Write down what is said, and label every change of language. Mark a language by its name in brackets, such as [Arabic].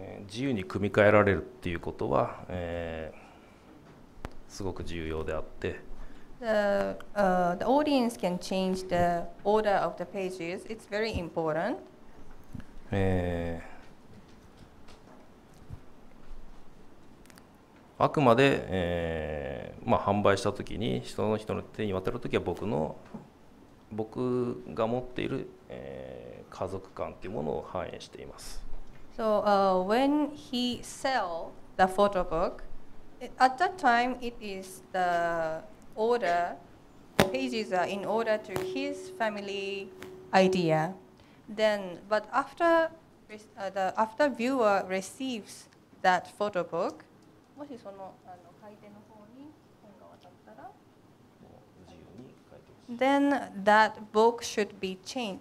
[Japanese] 自由に組み替えられるっていうことは、すごく重要であって。 [English] The audience can change the order of the pages. It's very important. [Japanese] あくまで、販売したときに、その人の手に渡るときは僕が持っている、家族観っていうものを反映しています。 [English] So when he sell the photo book, at that time it is the order, the pages are in order to his family idea. Then, but after after viewer receives that photo book, [Japanese] もしその買い手の方に本が渡ったら、 [English] then that book should be changed.